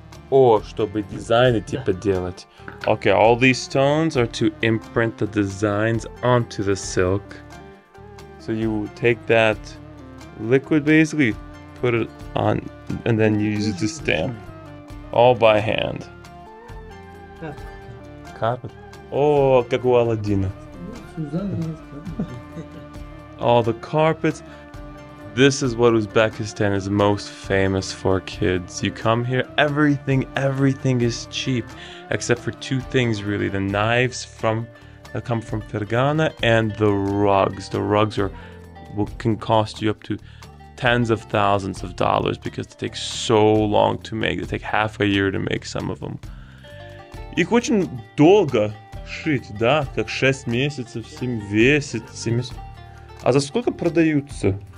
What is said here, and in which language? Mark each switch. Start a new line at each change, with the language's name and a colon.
Russian: О, чтобы дизайны типа делать.
English: Okay, all these stones are to imprint the designs onto the silk. So you take that liquid, basically put it on, and then you use it to stamp. All by hand. Carpet.
Russian: Oh, как у Аладдина.
English: All the carpets. This is what Uzbekistan is most famous for, kids. You come here, everything is cheap, except for two things really. The knives that come from Fergana and the rugs. The rugs can cost you up to tens of thousands of dollars because they take so long to make. They take half a year to make some of them.
Russian: Их очень долго шить, да? Как 6 месяцев, 7 весит, 7 месяцев. А за сколько продаются?